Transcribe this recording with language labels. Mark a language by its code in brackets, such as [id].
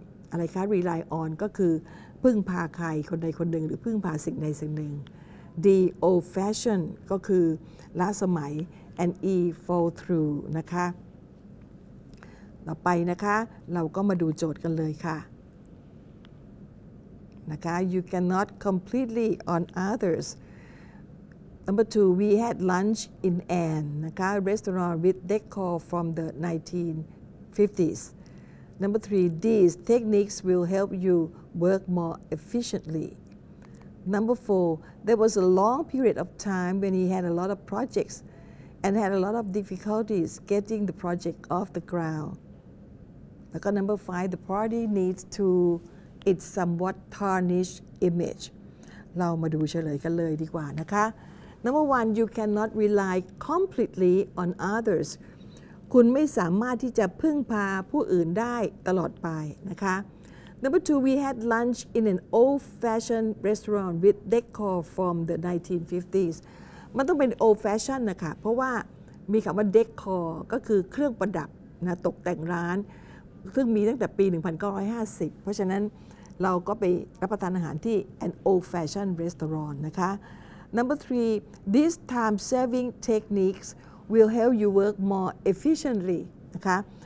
[th] อะไรคะ rely on ก็คือพึ่งพาใครคนใดคนหนึ่งหรือพึ่งพาสิ่งใดสิ่งหนึ่ง D old fashion ก็คือล้าสมัย [en] and E fall through [th] นะคะต่อไปนะคะเราก็มาดูโจทย์กันเลยค่ะนะคะ [en] you cannot completely on othersNumber 2, we had lunch in Anne, [th] นะคะ [en] restaurant with decor from the 1950s. Number 3, these techniques will help you work more efficiently. Number 4, there was a long period of time when he had a lot of projects and had a lot of difficulties getting the project off the ground. [th] แล้วก็ [en] number 5, the party needs to its somewhat tarnished image. [th] เรามาดูเฉลยกันเลยดีกว่านะคะ [en] Number 1 you cannot rely completely on others [th] คุณไม่สามารถที่จะพึ่งพาผู้อื่นได้ตลอดไปนะคะ [en] Number two, we had lunch in an old-fashioned restaurant with decor from the 1950s. [th] มันต้องเป็น old-fashioned นะคะเพราะว่ามีคำว่า decor ก็คือเครื่องประดับนะตกแต่งร้านซึ่งมีตั้งแต่ปี1950เพราะฉะนั้นเราก็ไปรับประทานอาหารที่ [en] an old-fashioned restaurant [th] นะคะ [en] Number three, these time-saving techniques will help you work more efficiently [th] นะคะ